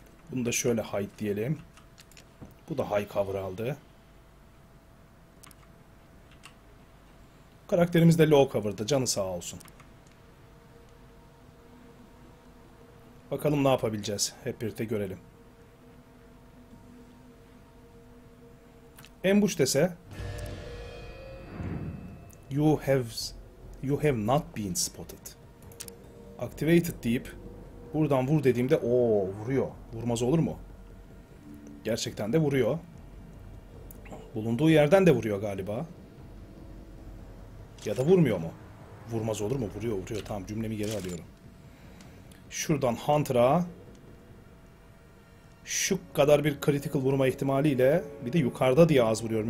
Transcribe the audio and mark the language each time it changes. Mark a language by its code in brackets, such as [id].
[tr] Bunu da şöyle hide diyelim. Bu da high cover aldı. Karakterimiz de low cover'da. Canı sağ olsun. Bakalım ne yapabileceğiz. Hep birlikte görelim. [en] Ambush [tr] dese [en] you have not been spotted. [tr] Activated deyip buradan vur dediğimde ooo vuruyor. Vurmaz olur mu? Gerçekten de vuruyor. Bulunduğu yerden de vuruyor galiba. Ya da vurmuyor mu? Vurmaz olur mu? Vuruyor, vuruyor. Tamam, cümlemi geri alıyorum. Şuradan Hunter'a şu kadar bir critical vurma ihtimaliyle, bir de yukarıda diye az vuruyorum.